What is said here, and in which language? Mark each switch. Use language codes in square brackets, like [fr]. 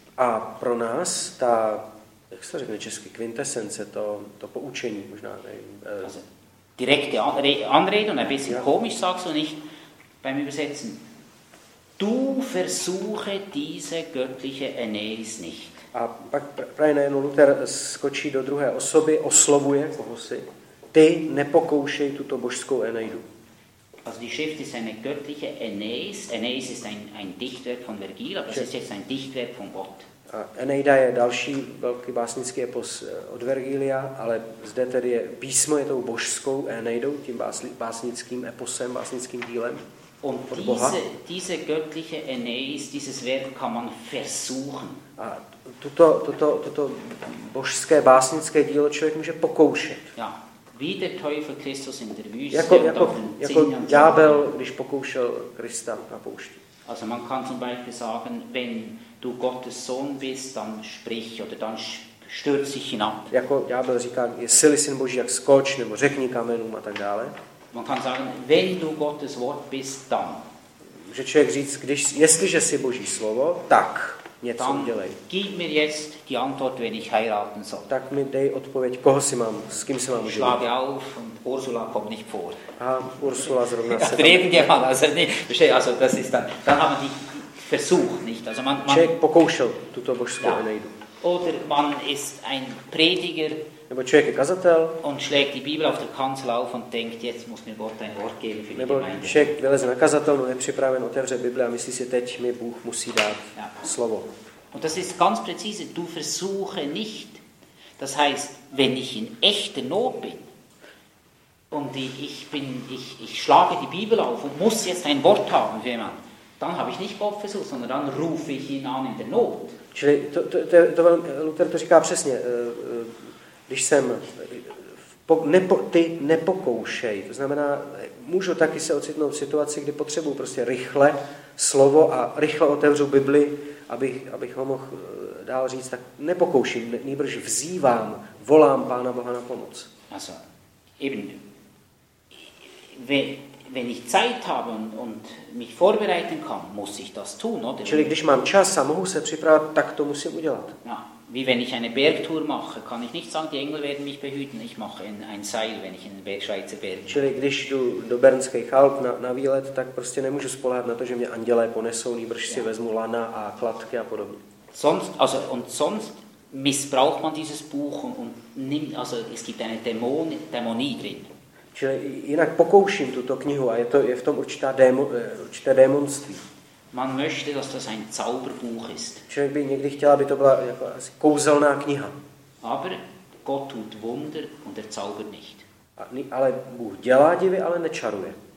[cs] A pro nás ta, jak se řekne česky, quintessence, to poučení možná. [de] Direkte Anrede und ein bisschen komisch sagst du nicht beim Übersetzen. Du versuche diese göttliche Aeneis nicht. [cs] A pak právě najednou Luther skočí do druhé osoby, oslovuje koho si. Ty nepokoušej tuto božskou Aeneidu. [de] Also die Schrift ist eine göttliche Aeneis. Aeneis ist ein Dichtwerk von Vergil, aber es ist jetzt ein Dichtwerk von Gott. [cs] Aeneida je další velký básnický epos od Vergilia, ale zde tedy je písmo je tou božskou Aeneidou, tím básnickým eposem, básnickým dílem. [de] Und [cs] od Boha. [de] Diese göttliche Aeneis, dieses Werk kann man versuchen. [cs] A toto božské básnické dílo člověk může pokoušet. [de] Ja. Wie der Teufel Christus in der Wüste [cs] jako ďábel, když pokoušel Krista na poušti. [de] Also man kann zum Beispiel sagen, wenn du Gottes Sohn bist, dann sprich oder dann stürz dich hinab. [cs] Jako ďábel říká, jestli syn Boží, jak skoč, nebo řekni kamenům a tak dále. [de] Man kann sagen, wenn du Gottes Wort bist, dann. [cs] Může člověk říct, jestliže jsi Boží slovo, tak něco udělej. [de] Gib mir jetzt die Antwort, wenn ich heiraten soll. [cs] Tak mi dej odpověď, koho si mám, s kým si mám žít. [de] Schlage auf und Ursula kommt nicht vor. [cs] A Ursula zrovna se tam. [de] Ja, also das ist dann haben die versucht, nicht? Also man [cs] člověk pokoušel tuto božskou Aeneidu. [de] Oder man ist ein Prediger, [cs] nebo člověk je kazatel. [de] On schlägt die Bibel auf der Kanzel auf und denkt, jetzt muss mir Gott ein Wort geben für die Gemeinde. [cs] Nebo člověk vyleze na kazatelnu, je připraven, otevře Bibli a myslí si, teď mi Bůh musí dát slovo. [de] Und das ist ganz präzise, du versuche nicht. Das heißt, wenn ich in echter Not bin und ich schlage die Bibel auf und muss jetzt ein Wort haben für jemanden, dann habe ich nicht Gott versucht, sondern dann rufe ich ihn an in der Not. [cs] Čili to Luther to říká přesně, když jsem ty nepokoušej, to znamená, můžu taky se ocitnout v situaci, kdy potřebuji prostě rychle slovo a rychle otevřu Bibli, abych ho mohl dál říct, tak nepokouším, nýbrž vzývám, volám Pána Boha na pomoc. [de] Also, eben, wenn ich Zeit habe und mich vorbereiten kann, muss ich das tun, oder? [cs] Čili když mám čas a mohu se připravit, tak to musím udělat. [de] Ja, wie wenn ich eine Bergtour mache, kann ich nicht sagen, die Engel werden mich behüten, ich mache ein Seil, wenn ich in den Schweizer Bergen. [cs] Čili když jdu do Bernských Alp na výlet, tak prostě nemůžu spoléhat na to, že mě andělé ponesou, nýbrž si vezmu lana a kladky a podobně. [de] Sonst, also und sonst missbraucht man dieses Buch und nimmt, also es gibt eine Dämonie drin. [cs] Čili jinak pokouším tuto knihu a je v tom určité démonství. [de] Man möchte, dass das ein Zauberbuch ist. [cs] Člověk by někdy chtěl, aby to byla jako asi kouzelná kniha. [de] Aber Gott tut Wunder und er zaubert nicht. [cs] Ale Bůh dělá divy, ale nečaruje.